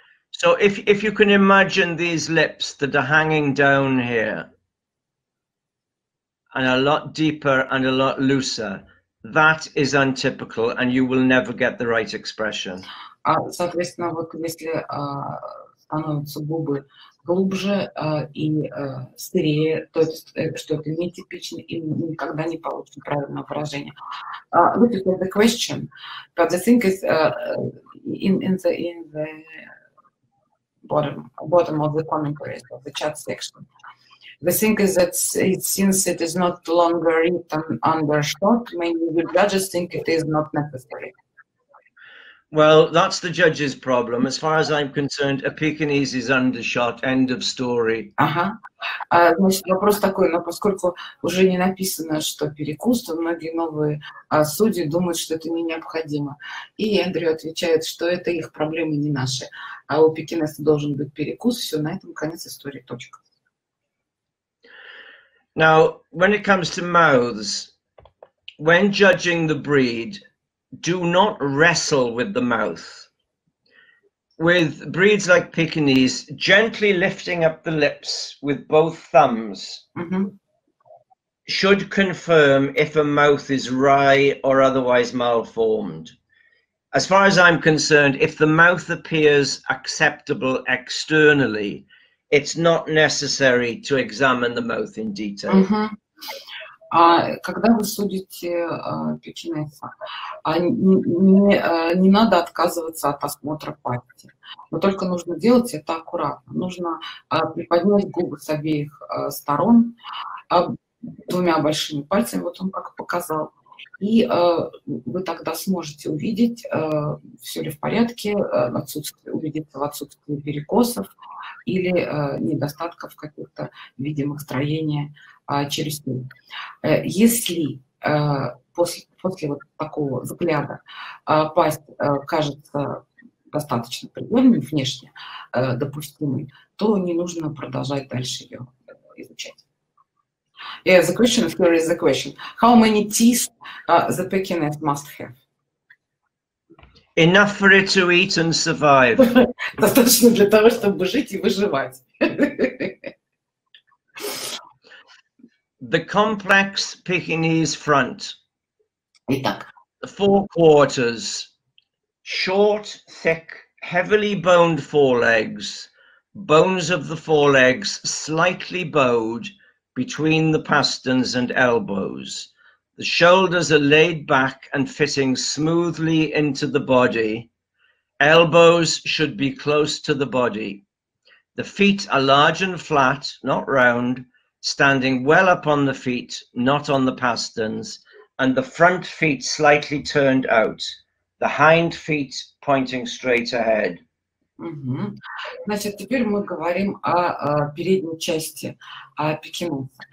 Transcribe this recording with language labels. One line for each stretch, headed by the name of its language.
English: So if you can imagine these lips that are hanging down here, and a lot deeper and a lot looser, that is untypical, and you will never get the right expression.
Russian: Соответственно, вот если становятся губы глубже и стырее, то есть что-то нетипичное, и никогда не получится правильное выражение.
English: Look at the question, but the thing is in the bottom of the commentaries of the chat section. The thing is that it, since it is not longer written under shot, maybe the judges think it is not necessary. Well, that's the judge's problem. As far as I'm concerned, a Pekinese is undershot. End of story.
Russian: Значит, вопрос такой, но поскольку уже не написано, что перекус, то многие новые судьи думают, что это не необходимо. И Эндрю отвечает, что это их проблемы, не наши. А у пекинеса должен быть перекус, все, на этом конец истории, точка.
English: Now, when it comes to mouths, when judging the breed, do not wrestle with the mouth. With breeds like Pekinese, gently lifting up the lips with both thumbs should confirm if a mouth is wry or otherwise malformed. As far as I'm concerned, if the mouth appears acceptable externally, it's not necessary to examine the mouth in detail.
Russian: Когда вы судите пекинеса, не надо отказываться от осмотра пасти. Но только нужно делать это аккуратно. Нужно приподнять губы с обеих сторон двумя большими пальцами, вот он как показал. И вы тогда сможете увидеть, все ли в порядке, убедиться в отсутствии перекосов или недостатков каких-то видимых строения челюсти. Если после вот такого взгляда пасть кажется достаточно прикольной, внешне допустимой, то не нужно продолжать дальше ее изучать.
English: Yeah, the question of here is the question. How many teeth the Pekinese must have? Enough for it to eat and survive.
Russian: Достаточно для того, чтобы жить и выживать.
English: The complex Pekinese front.
Russian: Итак.
English: Four quarters. Short, thick, heavily boned forelegs. Bones of the forelegs slightly bowed between the pasterns and elbows. The shoulders are laid back and fitting smoothly into the body. Elbows should be close to the body. The feet are large and flat, not round, standing well up on the feet, not on the pasterns, and the front feet slightly turned out, the hind feet pointing straight ahead.
Russian: Значит, теперь мы говорим о передней части пекинеса.